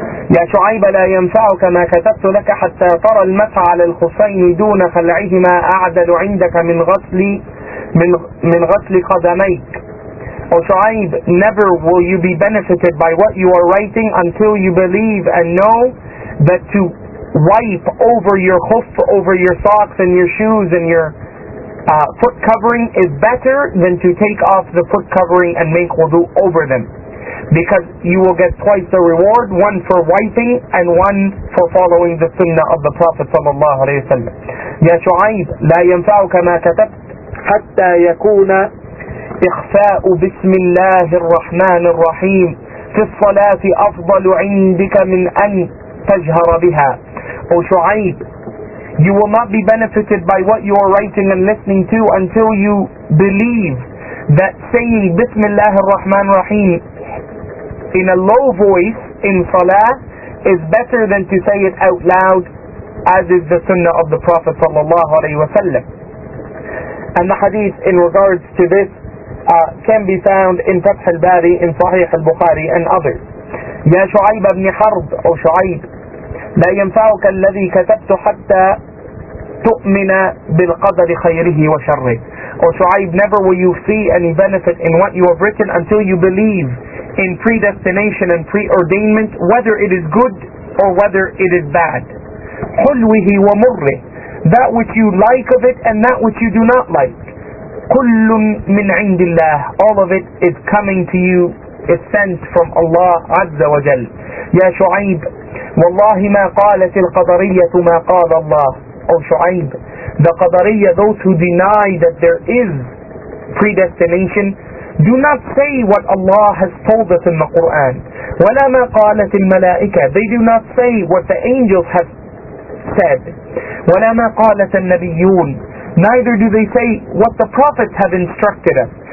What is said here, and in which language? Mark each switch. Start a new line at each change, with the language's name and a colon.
Arabic: يا شعيب لا ينفعك ما كتبت لك حتى ترى المفعل الخصين دون خلعهما أعدل عندك من غسلي من غسل قدميك
English: O Shu'aib, never will you be benefited by what you are writing until you believe and know that to wipe over your khuf, over your socks and your shoes and your foot covering is better than to take off the foot covering and make wudu over them. Because you will get twice the reward, one for wiping and one for following the sunnah of the Prophet sallallahu alayhi wa sallam.
Arabic: يا شعيب لا ينفعك ما كتبت حتى يكون إخفاء بسم الله الرحمن الرحيم في الصلاة أفضل عندك من أن تجهر بها.
English: O شعيب, you will not be benefited by what you are writing and listening to until you believe that saying
Arabic: بسم الله الرحمن الرحيم
English: in a low voice in salah is better than to say it out loud as is the sunnah of the Prophet sallallahu alayhi wa sallam and the hadith in regards to this can be found in Fath al-Bari in Sahih al-Bukhari and others
Arabic: يا شعيب ابن حرب أو شعيب
English: لا ينفعك الذي كتبت حتى تؤمن بالقدر خيره وشره أو شعيب never will you see any benefit in what you have written until you believe in predestination and preordainment, whether it is good or whether it is bad.
Arabic: حُلْوِهِ وَمُرِّهِ
English: That which you like of it and that which you do not like.
Arabic: كُلٌّ مِّنْ عِنْدِ اللَّهِ
English: All of it is coming to you, is sent from Allah Azza wa Jal.
Arabic: يَا شُعَيْبِ وَاللَّهِ مَا قَالَتِ الْقَدَرِيَّةُ مَا قَالَ اللَّهِ
English: O Shu'aib, the Qadariyya, those who deny that there is predestination, do not say what Allah has told us in the Qur'an.
Arabic: وَلَا مَا قَالَتِ الْمَلَائِكَةِ
English: They do not say what the angels have said.
Arabic: وَلَا مَا قَالَتَ النَّبِيُّونَ
English: Neither do they say what the prophets have instructed us.